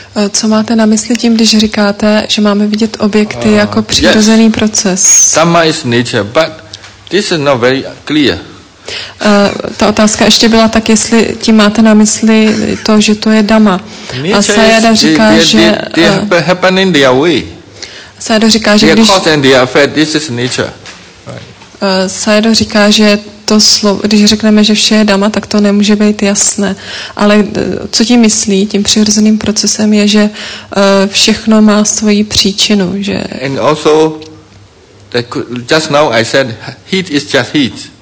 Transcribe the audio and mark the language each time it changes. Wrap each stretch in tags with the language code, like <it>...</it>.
<cs>Co máte na mysli tím, když říkáte, že máme vidět objekty jako přirozený proces?</cs> <en>Dharma is nature, but this is not very clear.</en> <cs>Ta otázka ještě byla tak, jestli tím máte na mysli to, že to je dhamma. A Sayada říká, když řekneme, že vše je dhamma, tak to nemůže být jasné. Ale co tím myslí, tím přirozeným procesem je, že všechno má svoji příčinu. Že...</cs> <en>And also, just now I said, heat is just heat.</en>